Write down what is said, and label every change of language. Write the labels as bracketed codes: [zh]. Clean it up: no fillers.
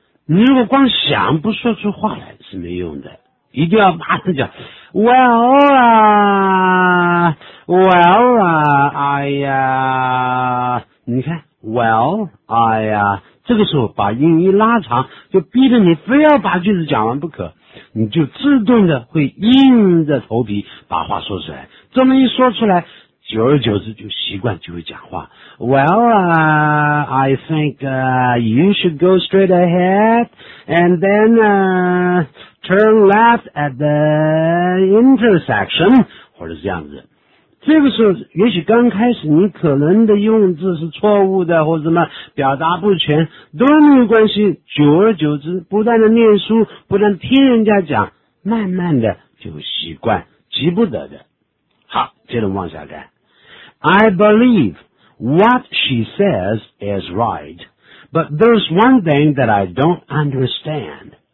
[zh] 你如果光想不说出话来是没用的，一定要马上讲 well 这个时候把音一拉长，就逼着你非要把句子讲完不可，你就自动的会硬着头皮把话说出来，这么一说出来久而久之就习惯就会讲话。 [en] I think you should go straight ahead and then turn left at the intersection， [zh] 或者是这样子。这个时候也许刚开始你可能的用字是错误的，或者什么表达不全都没有关系，久而久之不断的念书，不断听人家讲，慢慢的就习惯，急不得的。好，接着往下看。 [en] I believe what she says is right, but there's one thing that I don't understand.